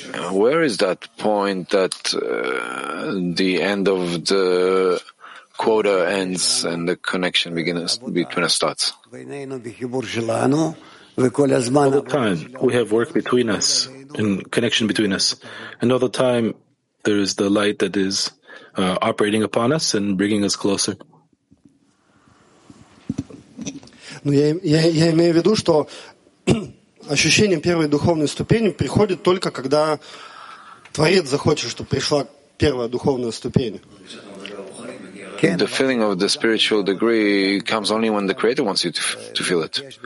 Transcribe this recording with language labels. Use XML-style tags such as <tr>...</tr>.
<en>Where is that point that the end of the quota ends and the connection begins between us starts? All the time we have work between us and connection between us, and all the time there is the light that is operating upon us and bringing us closer.</en> <ru>Я имею в виду, что ощущение первой духовной ступени приходит только когда Творец захочет, чтобы пришла первая духовная ступень.</ru> <en>The feeling of the spiritual degree comes only when the Creator wants you to feel it.</en>